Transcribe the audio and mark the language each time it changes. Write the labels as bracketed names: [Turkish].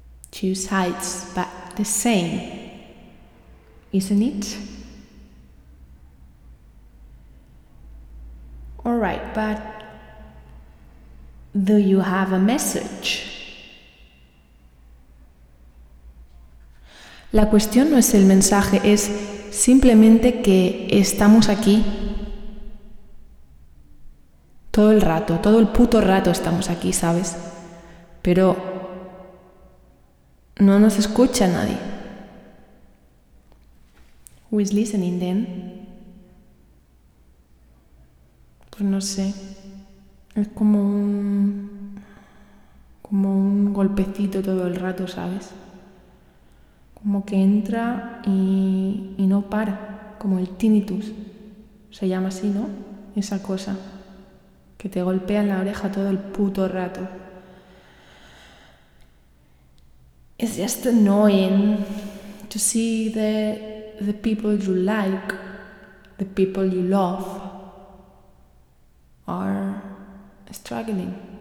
[English] Two sides, but the same, isn't it? All right, but do you have a message? [Spanish] La cuestión no es el mensaje, es simplemente que estamos aquí todo el rato, todo el puto rato estamos aquí, ¿sabes? Pero no nos escucha nadie. [English] Who is listening then? [Spanish] Pues no sé. Es como un golpecito todo el rato, ¿sabes? Como que entra y no para. Como el tinnitus. Se llama así, ¿no? Esa cosa. Que te golpea en la oreja todo el puto rato. [English] It's just annoying to see the people you like, the people you love, are struggling.